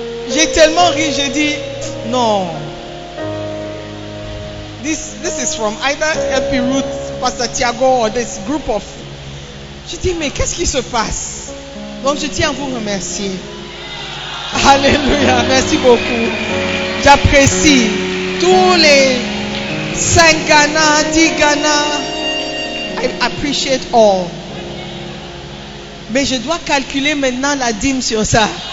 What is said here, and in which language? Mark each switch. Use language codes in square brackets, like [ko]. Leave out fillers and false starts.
[fr] J'ai tellement ri, j'ai dit, non. [en] This is from either LP Ruth, Pastor Thiago, or this group of... [fr] J'ai dit, mais qu'est-ce qui se passe? Donc, je tiens à vous remercier. Alléluia, merci beaucoup. J'apprécie tous les 5 Ghana, 10 Ghana. [en] I appreciate all. [fr] Mais je dois calculer maintenant la dîme sur ça.